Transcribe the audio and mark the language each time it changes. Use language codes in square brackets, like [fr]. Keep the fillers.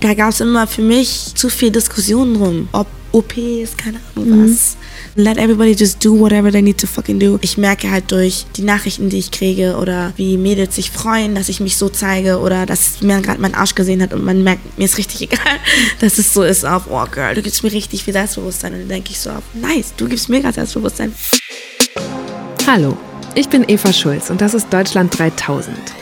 [de] Da gab es immer für mich zu viel Diskussionen drum, ob OPs, keine Ahnung was. [en] Let everybody just do whatever they need to fucking do. [de] Ich merke halt durch die Nachrichten, die ich kriege oder wie Mädels sich freuen, dass ich mich so zeige oder dass mir gerade mein Arsch gesehen hat und man merkt, mir ist richtig egal, dass es so ist auf, [en] oh girl, [de] du gibst mir richtig viel Selbstbewusstsein und dann denke ich so auf, nice, du gibst mir gerade Selbstbewusstsein. Hallo, ich bin Eva Schulz und das ist Deutschland 3000.